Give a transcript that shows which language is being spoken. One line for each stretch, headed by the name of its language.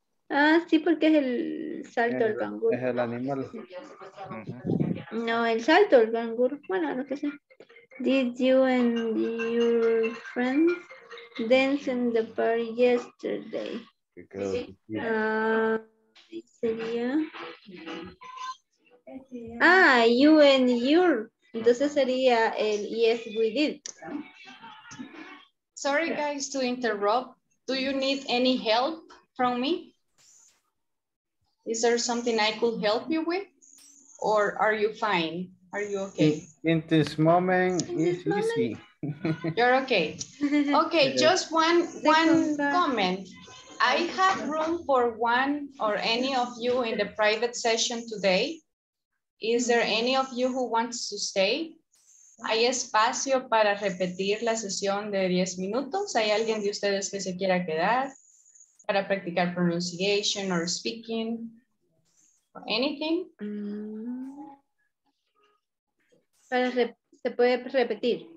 Spanish: Ah, sí, porque es el salto del kanguru. Es el animal. No, el salto del kanguru. Bueno, lo que sea.
English: Did you and your friends dance in the party yesterday?
Spanish: Sería.
English: Ah, you and your.
Spanish: Entonces sería el
English: yes, we did. Sorry, guys, to interrupt. Do you need any help from me? Is there something I could help you with? Or are you fine? Are you okay? In this moment, it's easy. You're okay. Okay, just one comment. I have room for one or any of you in the private session today. Is there any of you who wants to stay?
Spanish: ¿Hay espacio para repetir la sesión de 10 minutos? ¿Hay alguien de ustedes que se quiera quedar para practicar
English: pronunciation or speaking? Or anything?
Spanish: Para se puede repetir.